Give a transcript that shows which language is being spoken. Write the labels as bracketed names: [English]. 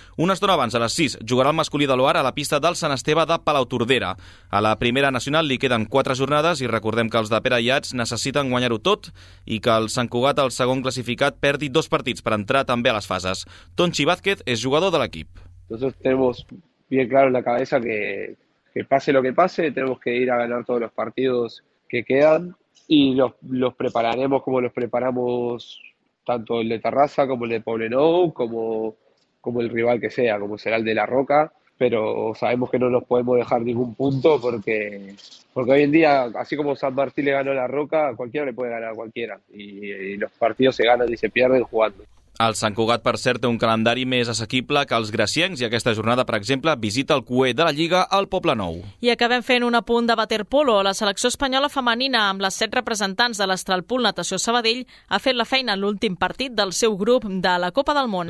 [Catalan] Una estona abans, a les 6, jugarà el masculí de l'OAR a la pista del Sant Esteve de Palautordera. A la primera nacional li queden 4 jornades i recordem que els de Pere Iats necessiten guanyar-ho tot i que el Sant Cugat, el segon classificat, perdi 2 partits per entrar també a les fases. Tonchi Vázquez és jugador de l'equip. [Spanish] Nosotros tenemos bien claro en la cabeza que que pase lo que pase, tenemos que ir a ganar todos los partidos que quedan y los prepararemos como los preparamos tanto el de Terraza como el de Poblenou, como el rival que sea, como será el de La Roca, pero sabemos que no nos podemos dejar ningún punto porque hoy en día, así como San Martín le ganó a La Roca, cualquiera le puede ganar a cualquiera y los partidos se ganan y se pierden jugando. [Catalan] El Sant Cugat, per cert, té un calendari més assequible que els graciencs i aquesta jornada, per exemple, visita el CUE de la Lliga al Poblenou. I acabem fent un apunt de waterpolo. La selecció espanyola femenina, amb les 7 representants de l'Astralpool Natació Sabadell, ha fet la feina en l'últim partit del seu grup de la Copa del Món.